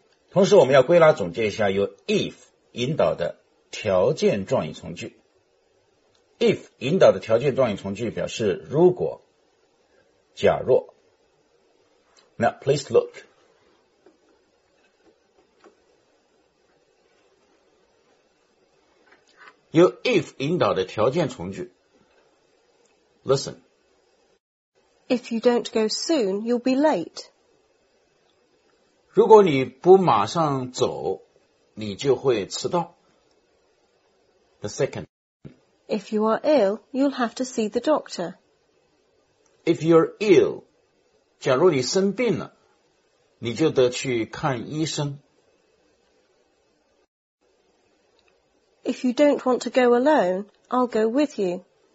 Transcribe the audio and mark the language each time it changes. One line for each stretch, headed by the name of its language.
Chinese: 同时我们要归纳总结一下由 If 引导的条件状语从句 If 引导的条件状语从句表示如果假若
English: Now please look
Chinese: 由 If 引导的条件从句 Listen
English: If you don't go soon, you'll be late.
Chinese: 如果你不马上走，你就会迟到。
English: The second. If you are ill, you'll have to see the doctor. If you're ill,
Chinese: 假如你生病了，你就得去看医生。
English: If you don't want to go alone, I'll go with you.